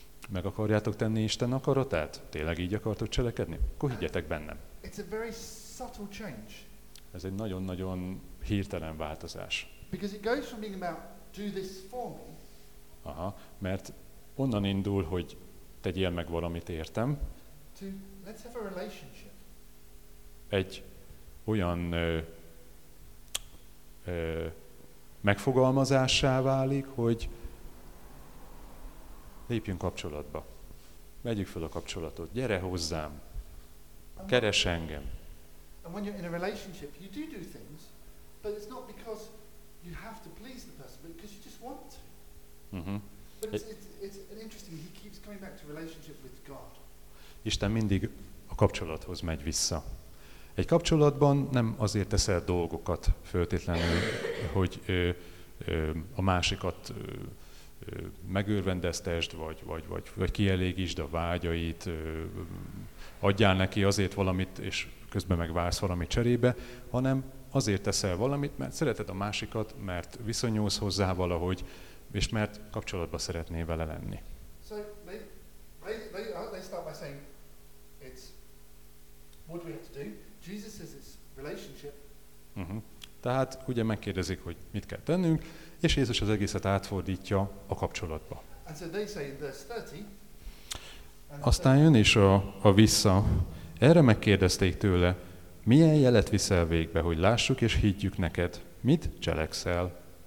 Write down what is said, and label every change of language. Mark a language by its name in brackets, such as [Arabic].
[Hungarian] Meg akarjátok tenni Isten akaratát? Tényleg így akartok cselekedni? Akkor higgyetek bennem. [English] It's a very subtle change. [Hungarian] Ez egy nagyon-nagyon hirtelen változás. [English] Because it goes from being about do this for me. [Hungarian] Aha, mert onnan indul, hogy tegyél meg valamit értem. [English] To, let's have a relationship. [Hungarian] Egy olyan megfogalmazássá válik, hogy lépjünk kapcsolatba. Vegyük fel a kapcsolatot. Gyere hozzám. Keres engem. [English] And when you're in a relationship, you do things, but it's not because you have to please the person, but because you just want to. But it's an interesting, he keeps coming back to relationship with God. [Hungarian] Isten mindig a kapcsolathoz megy vissza. Egy kapcsolatban nem azért teszel dolgokat föltétlenül, hogy a másikat megőrvendeztesd, vagy kielégítsd a vágyait, adjál neki azért valamit, és közben meg vársz valami cserébe, hanem azért teszel valamit, mert szereted a másikat, mert viszonyulsz hozzá valahogy, és mert kapcsolatban szeretnél vele lenni. [English] So, they start by saying, it's what we have to do. Jesus says it's relationship. [Hungarian] Tehát ugye megkérdezik, hogy mit kell tennünk, és Jézus az egészet átfordítja a kapcsolatba. [English] And so they say in verse 30, [Hungarian] aztán jön is a vissza. Erre megkérdezték tőle, milyen jelet viszel végbe, hogy lássuk és higgyük neked, mit cselekszel?